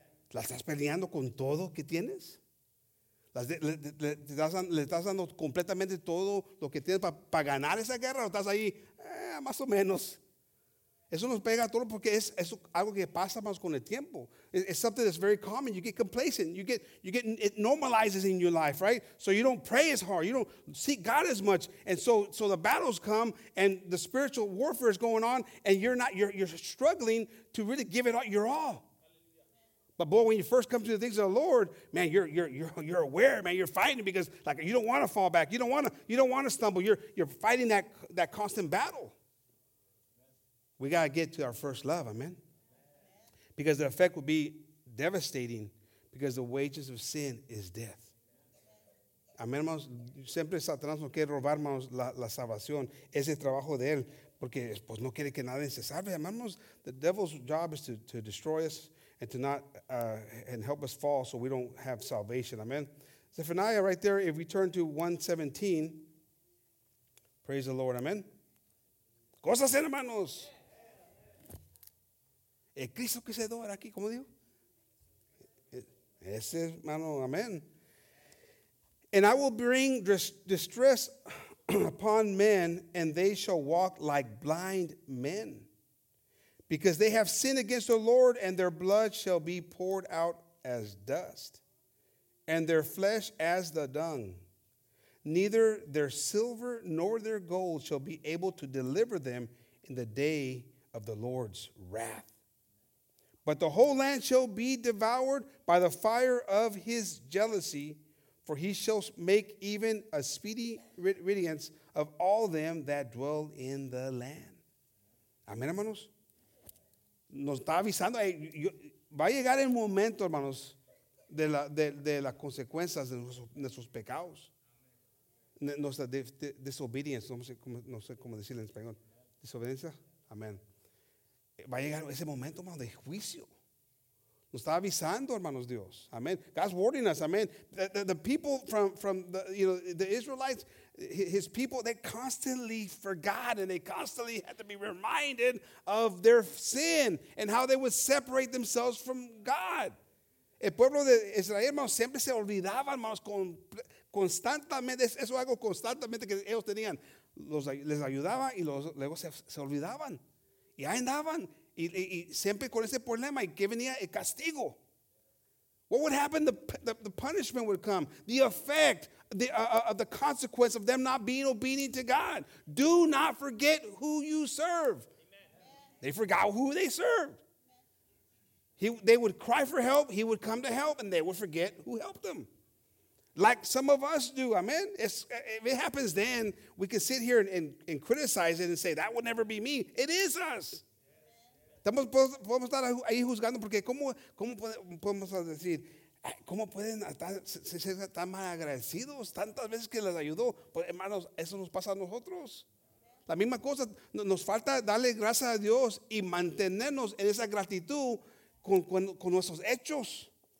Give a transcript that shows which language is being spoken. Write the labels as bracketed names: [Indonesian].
[Spanish] ¿La estás peleando con todo que tienes? ¿Le estás dando completamente todo lo que tienes para ganar esa guerra? ¿O estás ahí más o menos? Eso nos pega a todos porque es algo que pasa más con el tiempo. [English] It's something that's very common. You get complacent. You get it normalizes in your life, right? So you don't pray as hard. You don't seek God as much. And so the battles come and the spiritual warfare is going on and you're struggling to really give it your all. But boy, when you first come to the things of the Lord, man, you're aware, man. You're fighting because like you don't want to fall back. You don't want to stumble. You're fighting that constant battle. We got to get to our first love, amen? Because the effect would be devastating because the wages of sin is death. [Spanish] Amén, hermanos. Siempre Satanás no quiere robar, hermanos, la salvación. Es el trabajo de él. Porque pues no quiere que nadie se salve. Amén, hermanos. [English] The devil's job is to destroy us and to not and help us fall so we don't have salvation. Amen. Zephaniah right there, if we turn to 1:17, praise the Lord. Amen. [Spanish] Cosas, hermanos. El Cristo que se adora aquí, ¿cómo digo? Ese hermano, amén. [English] And I will bring distress upon men, and they shall walk like blind men, because they have sinned against the Lord, and their blood shall be poured out as dust, and their flesh as the dung. Neither their silver nor their gold shall be able to deliver them in the day of the Lord's wrath. But the whole land shall be devoured by the fire of his jealousy, for he shall make even a speedy riddance of all them that dwell in the land. [Spanish] Amén, hermanos. Nos está avisando. Va a llegar el momento, hermanos, de las consecuencias de nuestros pecados. Nuestra disobedience. No sé cómo decirlo en español. Desobediencia. Amén. Va a llegar ese momento, hermano, de juicio. Nos está avisando, hermanos, Dios. Amen. [English] God's warning us. [Spanish] Amen. [English] The people from the, you know, the Israelites, his people, they constantly forgot and they constantly had to be reminded of their sin and how they would separate themselves from God. [Spanish] El pueblo de Israel, hermanos, siempre se olvidaban, hermanos, constantemente. Eso algo constantemente que ellos tenían. Les ayudaba y luego se olvidaban. Y ahí andaban, y siempre con ese problema, y que venía el castigo. [English] What would happen? The punishment would come. The effect, the consequence of them not being obedient to God. Do not forget who you serve. Amen. They forgot who they served. They would cry for help, he would come to help, and they would forget who helped them. Like some of us do, amen? If it happens then, we can sit here and criticize it and say, that would never be me. It is us. [Spanish] Estamos, podemos estar ahí juzgando porque cómo podemos decir, cómo pueden ser tan mal agradecidos tantas veces que les ayudó. Pues, hermanos, eso nos pasa a nosotros. La misma cosa, nos falta darle gracias a Dios y mantenernos en esa gratitud con nuestros hechos.